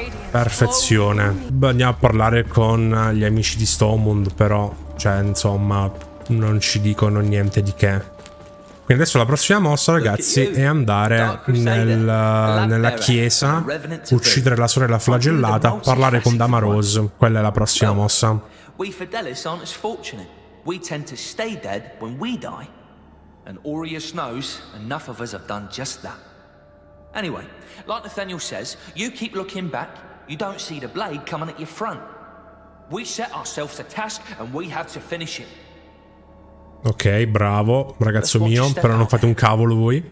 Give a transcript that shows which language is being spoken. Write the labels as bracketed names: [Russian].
[Italian] Perfezione. Beh, andiamo a parlare con gli amici di Stormwind, però, cioè, insomma, non ci dicono niente di che. Quindi adesso la prossima mossa, ragazzi, è andare nella chiesa, uccidere la sorella flagellata, parlare con Dama Rose. Quella è la prossima mossa. [English] We Fidelis aren't as fortunate. We tend to stay dead when we die. And Aureus knows enough of us have done just that. Anyway, like Nathaniel says, you keep looking back, you don't see the blade coming at your front. We set ourselves a task and we have to finish it. [Italian] Ok, bravo, ragazzo mio, però non fate un cavolo voi.